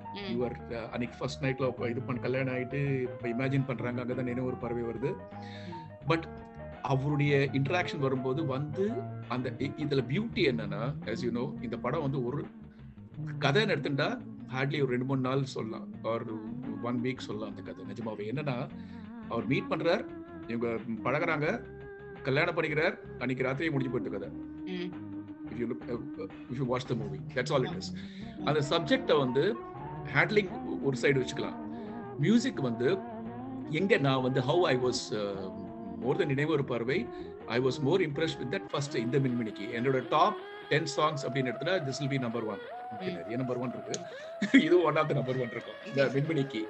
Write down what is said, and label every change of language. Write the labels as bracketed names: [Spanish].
[Tamil] Interaction வரும்போது வந்து அந்த இதுல பியூட்டி என்னன்னா, [English] as you know [Tamil] இந்த படம் வந்து ஒரு கதை எடுத்துட்டா ஹார்ட்லி ஒரு ரெண்டு மூணு நாள் சொல்லலாம், [English] or one week [Tamil] சொல்லலாம் அந்த கதை. நிஜமாவே என்னன்னா அவர் மீட் பண்றார், இவங்க பழகிறாங்க, கல்யாணம் பண்ணிக்கிறார், அன்னைக்கு ராத்திரியே முடிஞ்சு போயிட்டு கதை. [English] If you look, if you watch the movie, that's all it is. [Tamil] அந்த சப்ஜெக்ட வந்து ஹேண்ட்லிங் ஒரு சைடு வச்சுக்கலாம், மியூசிக் வந்து எங்க நான் வந்து [English] how I was more than [Tamil] நினைவு ஒரு பார்வை, [English] I was more impress with that first [Tamil] இந்த மின்மினிக்கு என்னோட டாப் டென் சாங்ஸ் அப்படின்னு எடுத்துல [English] This will be number one. [Tamil] A number one இருக்கு, இது [English] one of the number one [Tamil] இருக்கும் இந்த மின்மினிக்கு.